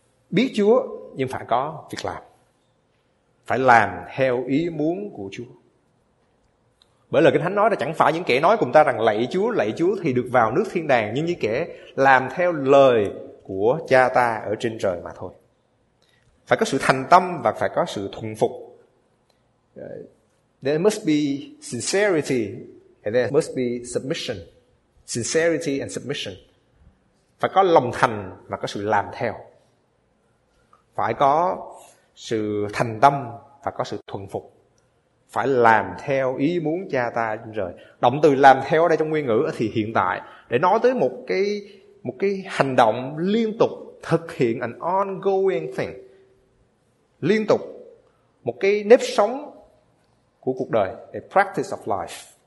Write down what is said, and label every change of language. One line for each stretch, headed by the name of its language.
Vietnamese: Biết Chúa nhưng phải có việc làm, phải làm theo ý muốn của Chúa. Bởi lời Kinh Thánh nói là chẳng phải những kẻ nói cùng ta rằng lạy Chúa thì được vào nước thiên đàng, nhưng như kẻ làm theo lời của cha ta ở trên trời mà thôi. Phải có sự thành tâm và phải có sự thuận phục.
English: There must be sincerity and there must be submission. Sincerity and submission.
Vietnamese: Phải có lòng thành và có sự làm theo. Phải có sự thành tâm và có sự thuận phục. Phải làm theo ý muốn cha ta trên trời. Động từ làm theo ở đây trong nguyên ngữ thì hiện tại để nói tới một cái hành động liên tục, thực hiện
English: an ongoing thing,
Vietnamese: liên tục, một cái nếp sống của cuộc đời,
English: a practice of life.